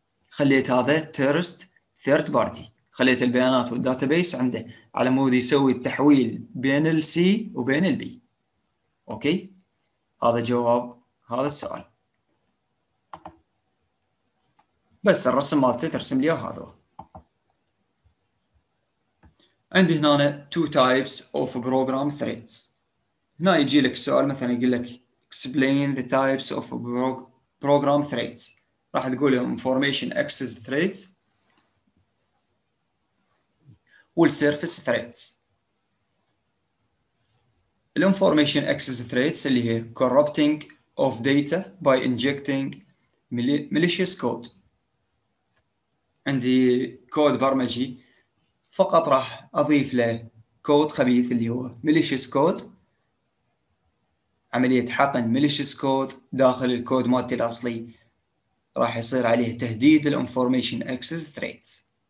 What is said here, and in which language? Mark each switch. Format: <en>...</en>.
<ar>خليت هذا تيرست ثيرد بارتي، خليت البيانات والداتابيس عنده على مود يسوي التحويل بين السي وبين البي. اوكي، هذا جواب هذا السؤال. بس الرسم مالته ترسم لي هذا. عندي هنا</ar> <en>two types of program threads.</en> <ar>هنا يجي لك سؤال مثلا يقول لك</ar> <en>explain the types of program threads.</en> <ar>راح تقول لهم</ar> <en>information access threads</en> <ar>وال</ar> <en>surface threads. الinformation access threads</en> <ar>اللي هي</ar> <en>corrupting of data by injecting malicious code.</en> <ar>عندي كود برمجي فقط راح اضيف له كود خبيث اللي هو</ar> <en>malicious code</en> <ar>عملية حقن مليشيس كود داخل الكود مالتي الأصلي، راح يصير عليه تهديد</ar> <en>الانفورميشن access threats.</en>